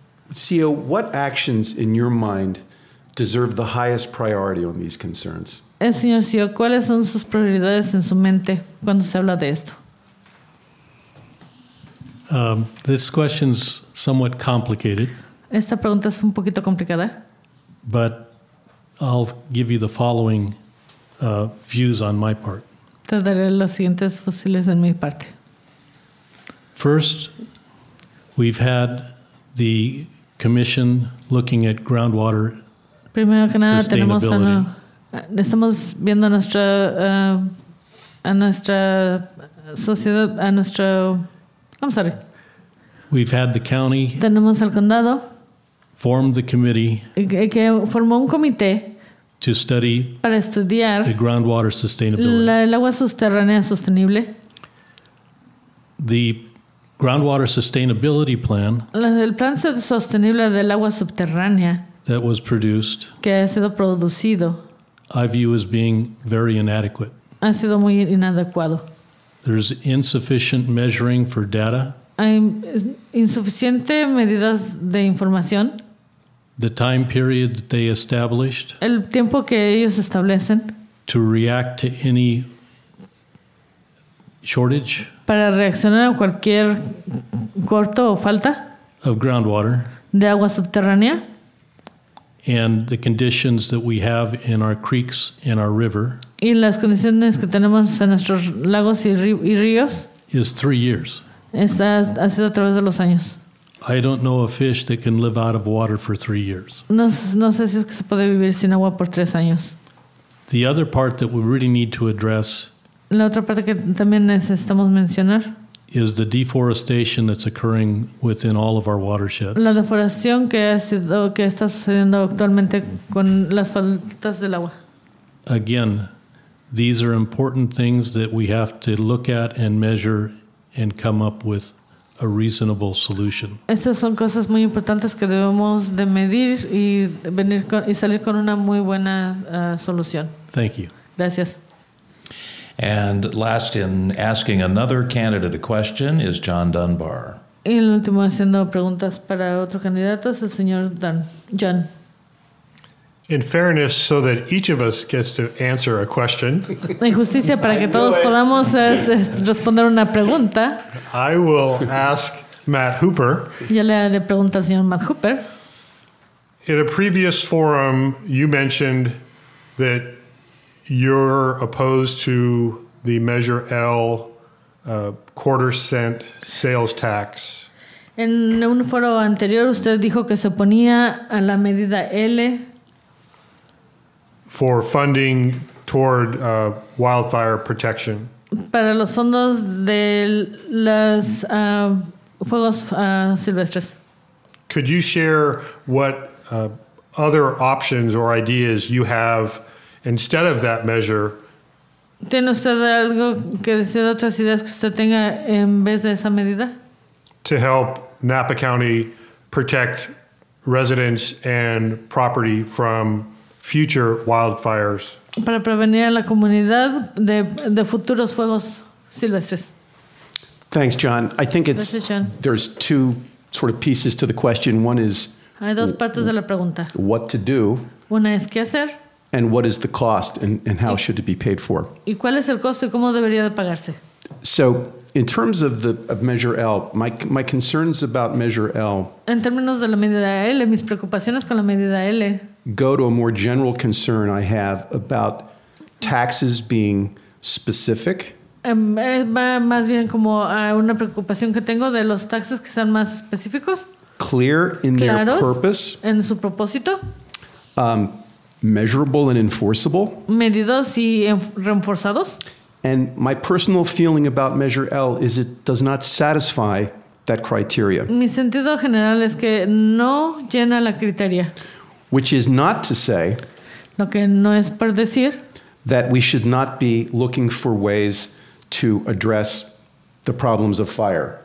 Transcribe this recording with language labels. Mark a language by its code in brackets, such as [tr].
[en] Sio, what actions in your mind deserve the highest priority on these concerns? [es] El señor Sio, ¿cuáles son sus prioridades en su mente cuando se habla de esto? [en] This question's somewhat complicated. [es] Esta pregunta es un poquito complicada. [en] But I'll give you the following views on my part. [es] Te daré los siguientes fusiles en mi parte. [en] First, we've had the commission looking at groundwater sustainability. [es] Primero que nada, tenemos a no, estamos viendo nuestra a nuestra sociedad, a nuestro, [en] I'm sorry. We've had the county. [es] Tenemos al condado. [en] Formed the committee. [es] Que formó un comité. [en] To study. [es] Para estudiar. [en] The groundwater sustainability. [es] La, el agua subterránea sostenible. [en] The groundwater sustainability plan. [es] La, el plan sostenible del agua subterránea. [en] That was produced. [es] Que ha sido producido. [en] I view as being very inadequate. [es] Ha sido muy inadecuado. [en] There's insufficient measuring for data. [es] Hay insuficiente medidas de información. [en] The time period that they established. [es] El tiempo que ellos establecen. [en] To react to any shortage. [es] Para reaccionar a cualquier corto o falta. [en] Of groundwater. [es] De agua subterránea. [en] And the conditions that we have in our creeks and our river. [es] Y las condiciones que tenemos en nuestros lagos y ríos. [en] Is 3 years. [es] Está, ha sido a través de los años. [en] I don't know a fish that can live out of water for 3 years. [es] No, no sé si es que se puede vivir sin agua por 3 años. [en] The other part that we really need to address. [es] La otra parte que también necesitamos mencionar. [en] Is the deforestation that's occurring within all of our watersheds. [es] La deforestación que ha sido, que está sucediendo actualmente con las faltas del agua. [en] Again, these are important things that we have to look at and measure and come up with a reasonable solution. [es] Estas son cosas muy importantes que debemos de medir y venir con, y salir con una muy buena solución. [en] Thank you. [es] Gracias. [en] And last in asking another candidate a question is John Dunbar. [es] Y el último haciendo preguntas para otro candidato es el señor John. [en] In fairness, so that each of us gets to answer a question. [es] En justicia para que todos podamos responder una pregunta. [en] I will ask Matt Hooper. [es] Yo le haré pregunta al señor Matt Hooper. [en] In a previous forum, you mentioned that you're opposed to the Measure L quarter cent sales tax. [es] En un foro anterior, usted dijo que se oponía a la medida L. [en] For funding toward wildfire protection. [es] Para los fondos de los fuegos silvestres. [en] Could you share what other options or ideas you have instead of that measure? [es] ¿Tiene usted algo que decir, otras ideas que usted tenga en vez de esa medida? [en] To help Napa County protect residents and property from future wildfires. [es] Para prevenir a la comunidad de futuros fuegos silvestres. [en] Thanks, John. I think it's [es] Gracias, John. [en] There's two sort of pieces to the question. One is [es] Hay dos partes de la pregunta. [en] What to do? [es] Una es qué hacer. [en] And what is the cost and how y, should it be paid for? [es] ¿Y cuál es el costo y cómo debería de pagarse? [en] So, in terms of the of Measure L, my concerns about Measure L. [es] En términos de la medida L, mis preocupaciones con la medida L. [en] Go to a more general concern I have about taxes being specific. [es] Va más bien como a una preocupación que tengo de los taxes que sean más específicos. [en] Clear in [es] claros, [en] their purpose. [es] En su propósito. [en] Measurable and enforceable. [es] Medidos y reforzados. [en] And my personal feeling about Measure L is it does not satisfy that criteria. [es] Mi sentido general es que no llena la criteria. [en] Which is not to say [es] lo que no es por decir, [en] that we should not be looking for ways to address the problems of fire.